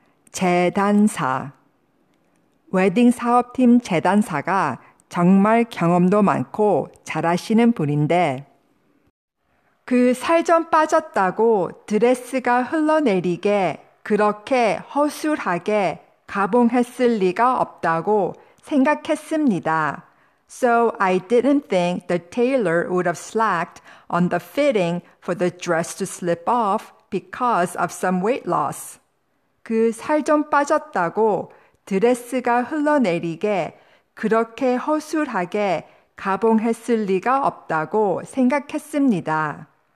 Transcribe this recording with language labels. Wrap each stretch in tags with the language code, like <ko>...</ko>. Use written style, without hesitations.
<ko>재단사 웨딩 사업팀 재단사가 정말 경험도 많고 잘하시는 분인데 그 살 좀 빠졌다고 드레스가 흘러내리게 그렇게 허술하게 가봉했을 리가 없다고 생각했습니다.</ko> <en>So I didn't think the tailor would have slacked on the fitting for the dress to slip off because of some weight loss.</en> <ko>그 살 좀 빠졌다고 드레스가 흘러내리게 그렇게 허술하게 가봉했을 리가 없다고 생각했습니다.</ko>